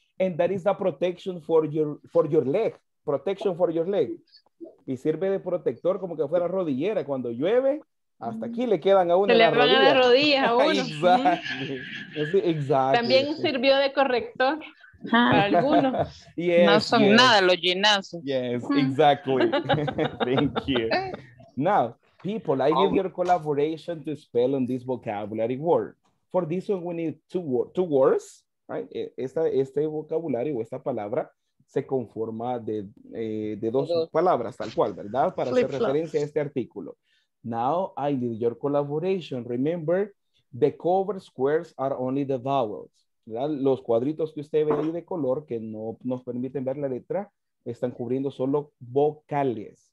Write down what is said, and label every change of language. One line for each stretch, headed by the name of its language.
English: And that is the protection for your leg. Protection for your leg.
Spanish: Y sirve de protector como que fuera rodillera. Cuando llueve, hasta aquí le quedan a uno. Se le van las rodillas a uno. Exacto. También sirvió de corrector para algunos.
English: Yes,
Spanish: no son nada los gimnasios.
English: Yes, exactly. Thank you. Now, people, I need your collaboration to spell on this vocabulary word. For this one, we need two words, right?
Spanish: Este vocabulario o esta palabra se conforma de dos palabras, tal cual, ¿verdad? Para hacer referencia a este artículo.
English: Now, I need your collaboration. Remember, the cover squares are only the vowels.
Spanish: ¿Verdad? Los cuadritos que usted ve ahí de color, que no nos permiten ver la letra, están cubriendo solo vocales.